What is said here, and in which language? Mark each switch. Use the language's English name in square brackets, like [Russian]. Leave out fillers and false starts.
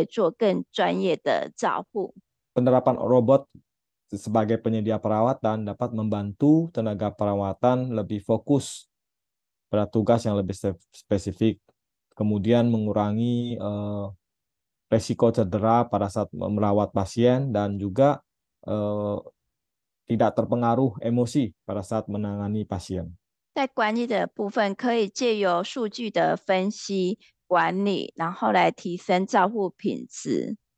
[Chinese] 那在照护员部分，它可以降低我们照护员的，因为工作而受伤的风险，然后及接收不必要的一些的情绪，但它可以做更专业的照护。 [Indonesian] Penerapan robot sebagai penyedia perawatan dapat membantu tenaga perawatan lebih fokus pada tugas yang lebih spesifik, kemudian mengurangi risiko cedera pada saat merawat pasien, dan juga tidak terpengaruh emosi pada saat menangani pasien. [Chinese] 在管理的部分，可以借由数据的分析管理，然后来提升照护品质。